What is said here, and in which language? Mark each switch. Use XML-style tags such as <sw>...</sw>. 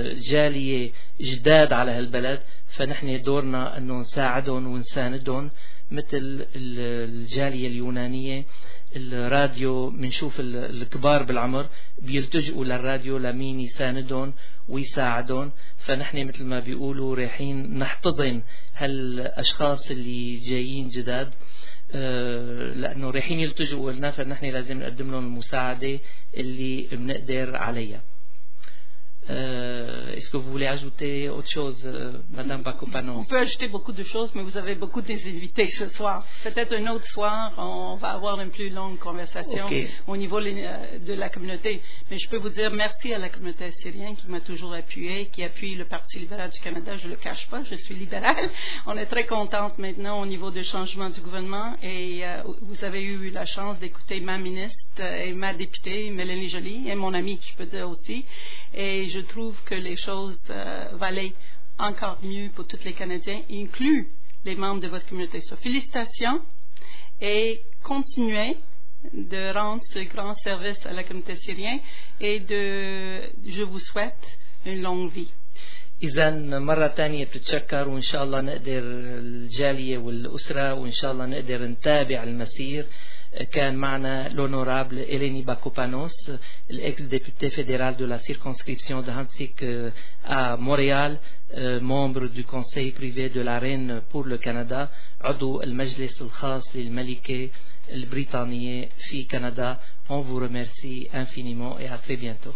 <ar>جالية جداد على هالبلد فنحن دورنا أنه نساعدهم ونساندهم مثل الجالية اليونانية الراديو منشوف الكبار بالعمر بيلتجئوا للراديو لمين يساندهم ويساعدهم فنحن مثل ما بيقولوا رايحين نحتضن هالأشخاص اللي جايين جداد لأنه رايحين يلتجئوا لنا فنحن لازم نقدم لهم المساعدة اللي بنقدر عليها.</ar> <fr>Est-ce que vous voulez ajouter autre chose, Madame Bakopanos? On peut ajouter beaucoup de choses, mais vous avez beaucoup d'invités ce soir. Peut-être un autre soir, on va avoir une plus longue conversation au niveau de la communauté. Mais je peux vous dire merci à la communauté syrienne qui m'a toujours appuyée, qui appuie le Parti libéral du Canada. Je ne le cache pas, je suis libérale. On est très contente maintenant au niveau du changement du gouvernement. Et vous avez eu la chance d'écouter ma ministre et ma députée, Mélanie Joly, et mon amie, je peux dire aussi. Et je trouve que les choses valaient encore mieux pour tous les Canadiens, incluant les membres de votre communauté. So, félicitations et continuez de rendre ce grand service à la communauté syrienne et je vous souhaite une longue vie.</fr> <ar>إذن مرة تانية بتتشكر وإن شاء الله نقدر الجالية والأسرة وإن شاء الله نقدر نتابع المسير كان معنا لونورابل إليني باكوبانوس الإكس ديبوتي فيدرال دو لا سيركونسكريبسيون دو هانتسيك آ موريال ممبر دو كونسي بريفي دو لارين بور لو كندا عضو المجلس الخاص للملكة البريطانية في كندا</ar> <fr>اون فو رميرسي انفينيمون اي ا تري بيانتو</fr>